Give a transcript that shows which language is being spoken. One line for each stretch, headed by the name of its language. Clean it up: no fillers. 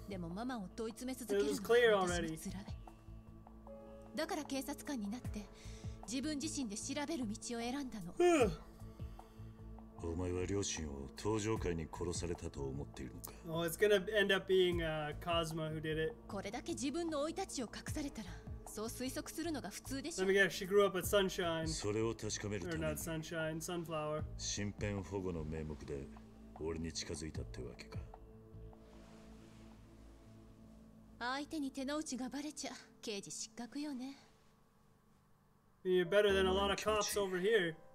Japanese: でもママを問い詰め続けるのは私も辛い。だから警察官になって自分自身で調べる道を選んだの。お前は両親を登場会に殺されたと思っているのか。
English: Oh, it's gonna end up being Kazuma who did it.
Japanese: これだけ自分の生い立ちを隠されたらそう推測するのが普通でしょ。
English: Let me guess, she grew up at Sunshine.
Japanese: それを確かめるために
English: 。 Or not Sunshine, Sunflower.
Japanese: 身辺保護の名目で俺に近づいたってわけか。相手に手の内がバレちゃ刑事失格よね。
English: You're better than a lot of cops over here.